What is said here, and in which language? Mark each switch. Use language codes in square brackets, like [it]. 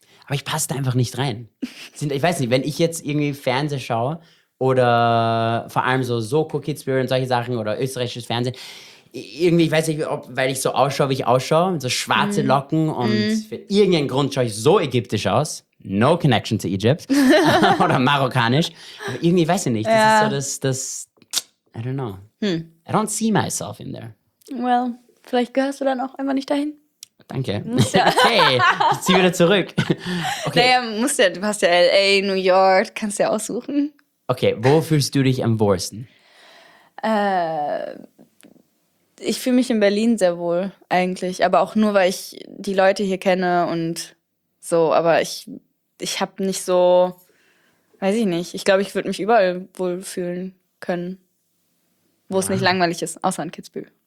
[de] Aber ich passe da einfach nicht rein. Ich weiß nicht, wenn ich jetzt irgendwie Fernsehen schaue oder vor allem so Soko Kitzbühel und solche Sachen oder österreichisches Fernsehen, irgendwie, ich weiß nicht, ob, weil ich so ausschaue, wie ich ausschaue, so schwarze Locken und für irgendeinen Grund schaue ich so ägyptisch aus. [en] No connection to Egypt. [de] Oder marokkanisch. Aber irgendwie weiß ich nicht. Das ist so das [en] I don't know. I don't see myself in there. Well, [de] vielleicht gehörst du dann auch einfach nicht dahin. Danke. Okay, ich ziehe wieder zurück. Okay. Naja, du hast ja L.A., New York, kannst du ja aussuchen. Okay, wo fühlst du dich am wohlsten? Ich fühle mich in Berlin sehr wohl eigentlich, aber auch nur, weil ich die Leute hier kenne und so, aber ich habe nicht so, weiß ich nicht, ich glaube, ich würde mich überall wohl fühlen können, wo es nicht langweilig ist, außer in Kitzbühel.